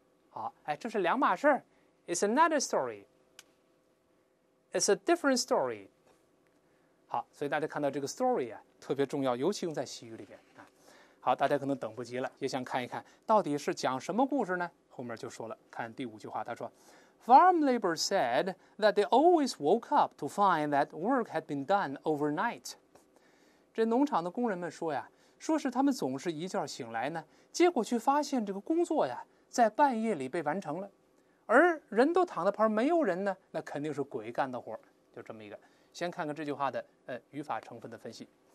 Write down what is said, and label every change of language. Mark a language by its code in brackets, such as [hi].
[zh] 好，哎，这是两码事 [en] ，It's another story。It's a different story. [zh] 好，所以大家看到这个 story 啊，特别重要，尤其用在习语里边啊。好，大家可能等不及了，也想看一看到底是讲什么故事呢？后面就说了，看第五句话，他说 [en] ，Farm laborers said that they always woke up to find that work had been done overnight. [zh] 这农场的工人们说呀，说是他们总是一觉醒来呢，结果却发现这个工作呀，在半夜里被完成了。而人都躺在旁边没有人呢，那肯定是鬼干的活，就这么一个。先看看这句话的语法成分的分析。